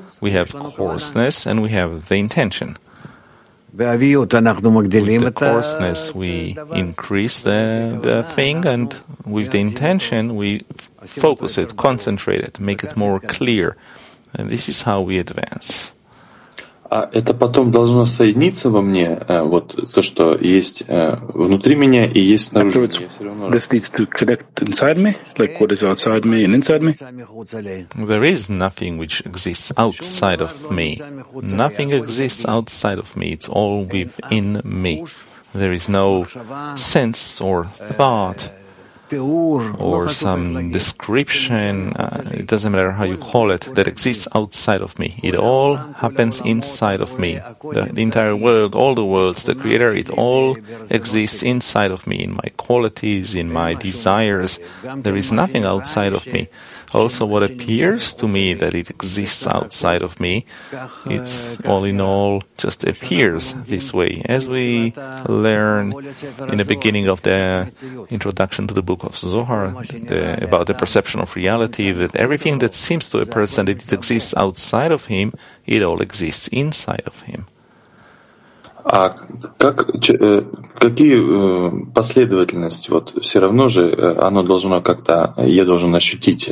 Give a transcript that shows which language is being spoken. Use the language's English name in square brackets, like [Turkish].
[English] We have coarseness and we have the intention. With the coarseness, we increase the thing, and with the intention, we focus it, concentrate it, make it more clear. And this is how we advance. [Russian] А это потом должно соединиться во мне, вот то, что есть внутри меня и есть снаружи. [English] This needs to connect inside me, like what is outside me and inside me. There is nothing which exists outside of me. Nothing exists outside of me. It's all within me. There is no sense or thought or some description, it doesn't matter how you call it, that exists outside of me. It all happens inside of me. The entire world, all the worlds, the Creator, it all exists inside of me, in my qualities, in my desires. There is nothing outside of me. Also, what appears to me that it exists outside of me, it's all in all just appears this way. As we learn in the beginning of the introduction to the book of Zohar, about the perception of reality, that everything that seems to a person that it exists outside of him, it all exists inside of him. [Russian] А как, какие последовательности? Вот все равно же оно должно как-то, я должен ощутить,